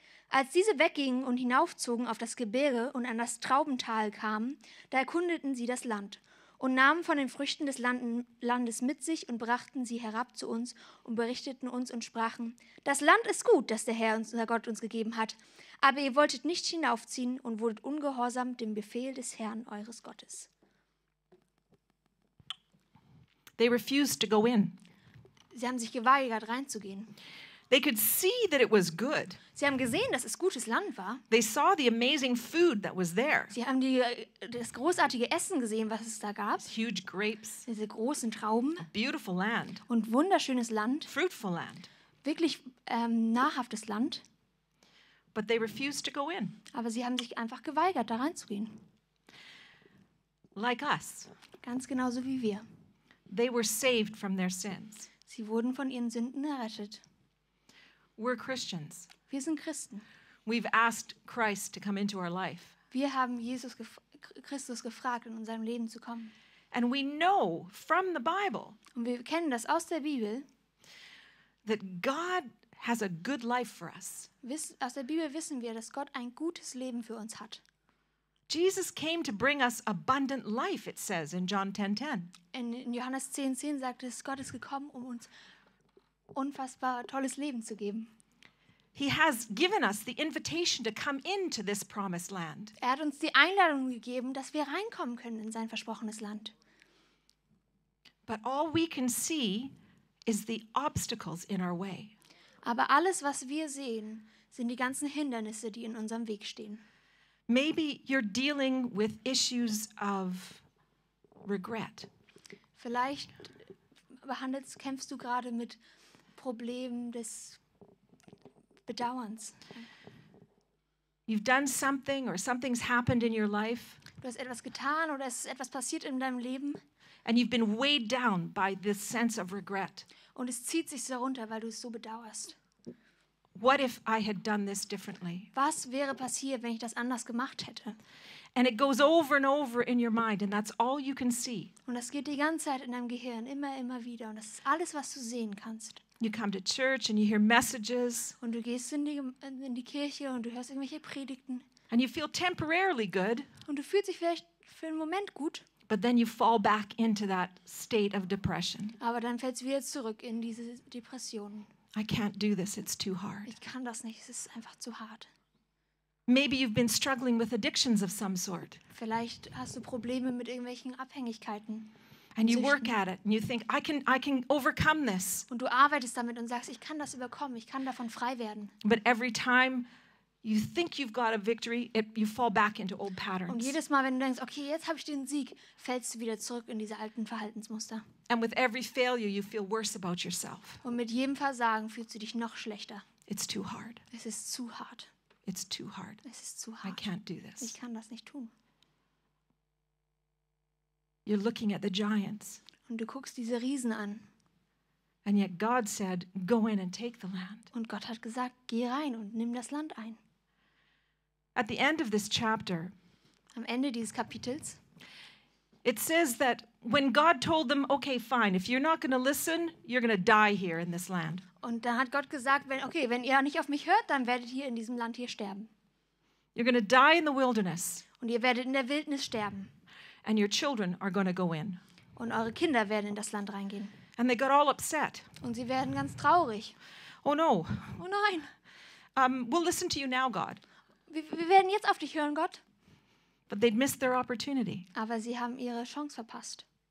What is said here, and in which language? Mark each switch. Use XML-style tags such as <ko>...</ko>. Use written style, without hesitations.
<de>Als diese weggingen und hinaufzogen auf das Gebirge und an das Traubental kamen, da erkundeten sie das Land und nahmen von den Früchten des Landes mit sich und brachten sie herab zu uns und berichteten uns und sprachen, das Land ist gut, das der Herr, unser Gott, uns gegeben hat, aber ihr wolltet nicht hinaufziehen und wurdet ungehorsam dem Befehl des Herrn, eures Gottes.</de> <en>They refused to go in.</en> <de>Sie haben sich geweigert, reinzugehen.</de> <en>They could see that it was good.</en> <de>Sie haben gesehen, dass es gutes Land war.</de> <en>They saw the amazing food that was there.</en> <de>Sie haben das großartige Essen gesehen, was es da gab.</de> <en>Huge grapes.</en> <de>Diese großen Trauben.</de> <en>A beautiful land.</en> <de>Und wunderschönes Land.</de> <en>Fruitful land.</en> <de>Wirklich nahrhaftes Land.</de> <en>But they refused to go in.</en> <de>Aber sie haben sich einfach geweigert, da reinzugehen.</de> <en>Like us.</en> <de>Ganz genauso wie wir.</de> <en>They were saved from their sins.</en> <de>Sie wurden von ihren Sünden errettet.</de> <en>We're Christians.</en> <de>Wir sind Christen.</de> <en>We've asked Christ to come into our life.</en> <de>Wir haben Jesus Christus gefragt, in unserem Leben zu kommen.</de> <en>And we know from the Bible.</en> <de>Und wir kennen das aus der Bibel.</de> <en>That God has a good life for us.</en> <de>Aus der Bibel wissen wir, dass Gott ein gutes Leben für uns hat.</de> <en>Jesus came to bring us abundant life, it says in John 10:10.</en> <de>In Johannes 10:10 sagt es, Gott ist gekommen, um uns unfassbar tolles Leben zu geben.</de> <en>He has given us the invitation to come into this promised land.</en> <de>Er hat uns die Einladung gegeben, dass wir reinkommen können in sein versprochenes Land.</de> <en>But all we can see is the obstacles in our way.</en> <de>Aber alles, was wir sehen, sind die ganzen Hindernisse, die in unserem Weg stehen.</de> <en>Maybe you're dealing with issues of regret.</en> <de>Vielleicht kämpfst du gerade mit Problem des Bedauerns.</de> <en>You've done something or something's happened in your life.</en> <de>Du hast etwas getan oder es ist etwas passiert in deinem Leben.</de> <en>And you've been weighed down by this sense of regret.</en> <de>Und es zieht sich so runter, weil du es so bedauerst.</de> <en>What if I had done this differently?</en> <de>Was wäre passiert, wenn ich das anders gemacht hätte?</de> <en>And it goes over and over in your mind and that's all you can see.</en> <de>Und das geht die ganze Zeit in deinem Gehirn immer wieder und das ist alles, was du sehen kannst.</de> <en>You come to church and you hear messages.</en> <de>Und du gehst in die Kirche und du hörst irgendwelche Predigten.</de> <en>And you feel temporarily good.</en> <de>Und du fühlst dich vielleicht für einen Moment gut.</de> <en>But then you fall back into that state of depression.</en> <de>Aber dann fällst du wieder zurück in diese Depression.</de> <en>I can't do this. It's too hard.</en> <de>Ich kann das nicht. Es ist einfach zu hart.</de> <en>Maybe you've been struggling with addictions of some sort.</en> <de>Vielleicht hast du Probleme mit irgendwelchen Abhängigkeiten.</de> <en>And you work at it and you think I can overcome this.</en> <de>Und du arbeitest damit und sagst, ich kann das überkommen, ich kann davon frei werden.</de> <en>But every time you think you've got a victory, you fall back into old patterns.</en> <de>Und jedes Mal, wenn du denkst, okay, jetzt habe ich den Sieg, fällst du wieder zurück in diese alten Verhaltensmuster.</de> <en>And with every failure, you feel worse about yourself.</en> <de>Und mit jedem Versagen fühlst du dich noch schlechter.</de> <en>It's too hard.</en> <de>Es ist zu hart.</de> <en>It's too hard.</en> <de>Es ist zu hart.</de> <en>I can't do this.</en> <de>Ich kann das nicht tun.</de> <en>You're looking at the giants.</en> <de>Und du guckst diese Riesen an.</de> <en>And yet God said, go in and take the land.</en> <de>Und Gott hat gesagt, geh rein und nimm das Land ein.</de> <en>At the end of this chapter,</en> <de>am Ende dieses Kapitels,</de> <en>it says that when God told them, okay, fine, if you're not going to listen, you're going to die here in this land.</en> <de>Und dann hat Gott gesagt, wenn, okay, wenn ihr nicht auf mich hört, dann werdet ihr in diesem Land hier sterben.</de> <en>You're going to die in the wilderness.</en> <de>Und ihr werdet in der Wildnis sterben.</de> <en>And your children are going to go in.</en> <de>Und eure Kinder werden in das Land reingehen.</de> <en>And they got all upset.</en> <de>Und sie werden ganz traurig.</de> <en>Oh no.</en> <de>Oh nein.</de> <en>We'll listen to you now, God.</en> <de>Wir werden jetzt auf dich hören, Gott.</de> <en>But they'd missed their opportunity.</en> <de>Aber sie haben ihre Chance verpasst.</de>